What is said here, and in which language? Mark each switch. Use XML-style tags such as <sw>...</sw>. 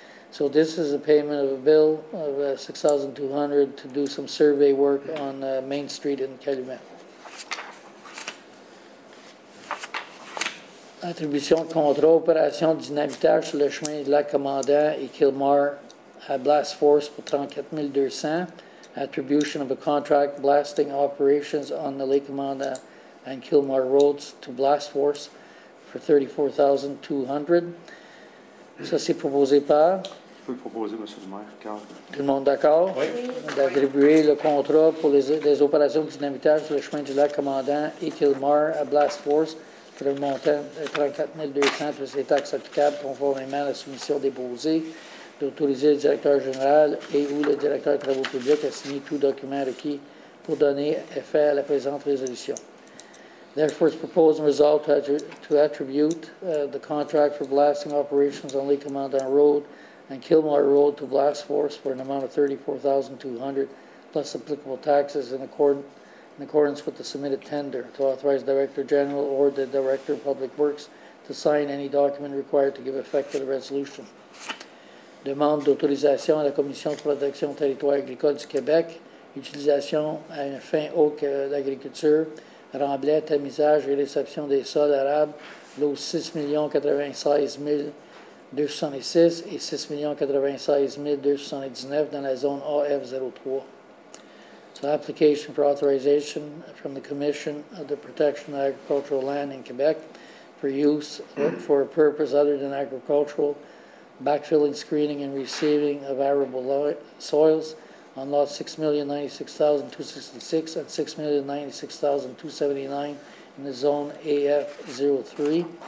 <en>So this is a payment of a bill of $6,200 to do some survey work on Main Street in Calumet.</en> <fr>Attribution de contrat opération dynamitage sur le chemin de la Commandant et Kilmar à Blast Force pour 34,200.</fr> <en>Attribution of a contract blasting operations on the Lake Commandant and Kilmar roads to Blast Force for $34,200.</en> <fr>Ça, c'est proposé par. Je peux proposer, M. le maire, car. Tout le monde d'accord? Oui. D'attribuer le contrat pour les opérations dynamitaires sur le chemin du lac Commandant et Kilmar à Blast Force pour le montant de 34,200 plus les taxes applicables conformément à la soumission déposée, d'autoriser le directeur général et ou le directeur des travaux publics à signer tout document requis pour donner effet à la présente résolution.</fr> <en>Therefore, it's proposed and resolved to attribute the contract for blasting operations on Lake Commandant Road and Kilmar Road to Blast Force for an amount of $34,200 plus applicable taxes in accordance with the submitted tender, to authorize Director General or the Director of Public Works to sign any document required to give effect to the resolution.</en> <fr>Demande d'autorisation à la Commission de protection du territoire agricole du Québec, utilisation à une fin autre que l'agriculture, remblai, tamisage et réception des sols arables, lots 6,096,276 et 6,096,279 dans la zone AF03.</fr> <en>So application for authorization from the Commission of the Protection of Agricultural Land in Quebec for use for a purpose other than agricultural, backfilling, screening and receiving of arable soils on lot 6,096,266 and 6,096,279 in the zone AF03.</en>